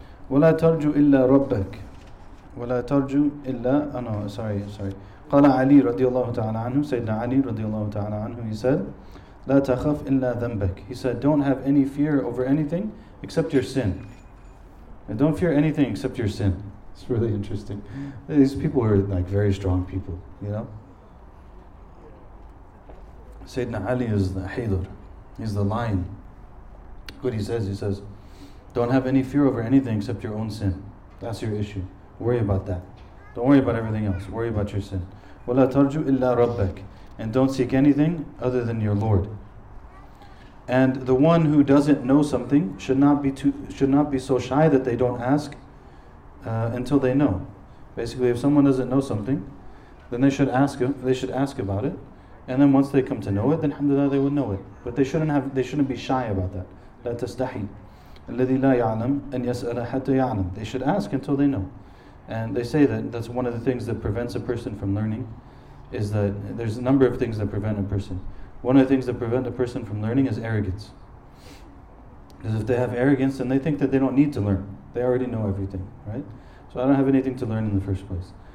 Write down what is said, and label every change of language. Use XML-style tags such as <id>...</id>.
<ar>ولا ترجو إلا ربك ولا ترجو إلا أنا sorry قال علي رضي الله تعالى عنه سيدنا علي رضي الله تعالى عنه</ar> <en>he said</en> <ar>لا تخف إلا ذنبك.</ar> <en>He said, don't have any fear over anything except your sin, and don't fear anything except your sin. It's really interesting. These people are like very strong people, you know. Sayyidina Ali is the Haydar, he's the lion. What he says, don't have any fear over anything except your own sin. That's your issue. Worry about that. Don't worry about everything else. Worry about your sin.</en> <ar>وَلَا تَرْجُوا إِلَّا رَبَّكَ.</ar> <en>And don't seek anything other than your Lord. And the one who doesn't know something should not be so shy that they don't ask until they know. Basically, if someone doesn't know something, then they should ask about it. And then once they come to know it, then alhamdulillah, they would know it. But they shouldn't have. They shouldn't be shy about that.</en> <ar>لا تستحي الذي لا يعلم أن يسأل حتى يعلم.</ar> <en>They should ask until they know. And they say that that's one of the things that prevents a person from learning, is that there's a number of things that prevent a person. One of the things that prevent a person from learning is arrogance. Because if they have arrogance, then they think that they don't need to learn. They already know everything, right? So I don't have anything to learn in the first place.</en>